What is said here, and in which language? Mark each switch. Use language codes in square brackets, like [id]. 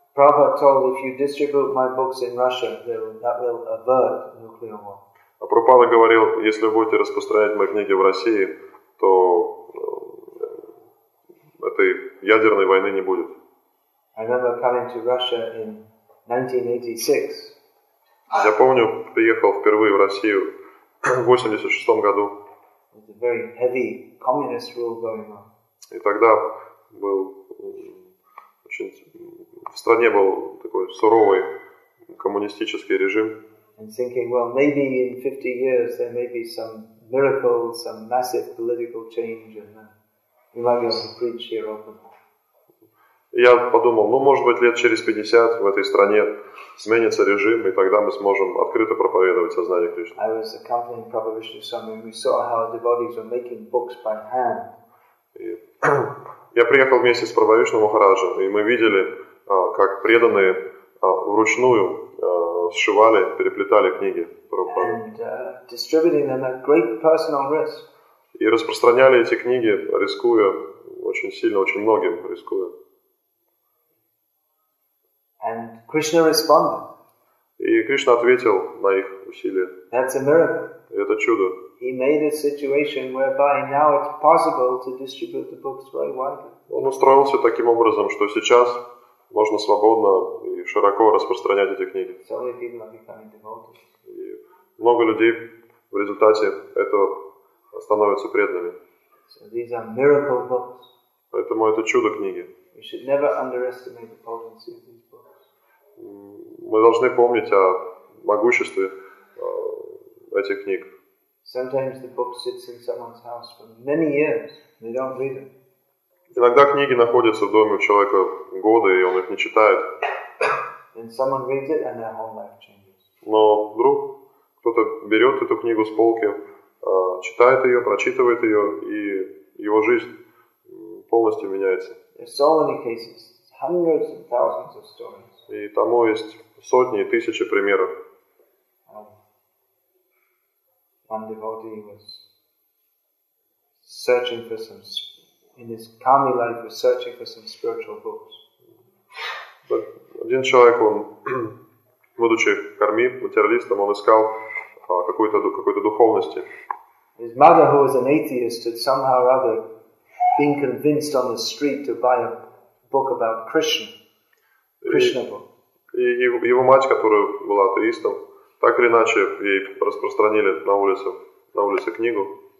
[en] Prabhupada told, if you distribute my books in Russia, that will avert nuclear war. [ru] А Прабхупада говорил, если вы будете распространять мои книги в России, то этой ядерной войны не будет. [en] I remember coming to Russia in 1986. [ru] Я помню, приехал впервые в Россию в 86 году. [en] It was a very heavy communist rule going on. [ru] И тогда был очень, в стране был такой суровый коммунистический режим. [en] And thinking, well, maybe in 50 years there may be some miracle, some massive political change, and then we might be able to preach here openly. [ru] Я подумал, ну, может быть, лет через 50 в этой стране сменится режим, и тогда мы сможем открыто проповедовать сознание Кришны. [en] I was accompanying Prabhupada Vishnu Swami, and we saw how devotees were making books by hand. [ru] Я приехал вместе с Прабхупадой Вишну Махараджем, и мы видели, как преданные вручную сшивали, переплетали книги Прабхупады. [en] And distributing them at great personal risk. [ru] И распространяли эти книги, рискуя очень сильно, очень многим рискуя. [en] And Krishna responded. [ru] И Кришна ответил на их усилия. [en] That's a miracle. [ru] И это чудо. [en] He made a situation whereby now it's possible to distribute the books very widely. [ru] Он устроился таким образом, что сейчас можно свободно и широко распространять эти книги. [en] So many people are becoming devotees. [ru] И много людей в результате этого становятся преданными. [en] So these are miracle books. [ru] Поэтому это чудо книги. [en] We should never underestimate the potency of these books. [ru] Мы должны помнить о могуществе этих книг. [en] Sometimes the book sits in someone's house for many years, they don't read it. [ru] Иногда книги находятся в доме у человека годы, и он их не читает. [en] And someone reads it and their whole life changes. [ru] Но вдруг кто-то берет эту книгу с полки, читает ее, прочитывает ее, и его жизнь полностью меняется. [en] There's so many cases, hundreds and thousands of stories. [ru] И тому есть сотни и тысячи примеров. [en] One devotee was searching for some, in his Kami life, was searching for some spiritual books. But [ru] один человек, он, будучи карми, материалистом, он искал какой-то духовности. [en] His mother, who was an atheist, had somehow or other been convinced on the street to buy a book about Krishna book. [ru] И его мать, которая была атеистом, так или иначе, ей распространили на улице книгу.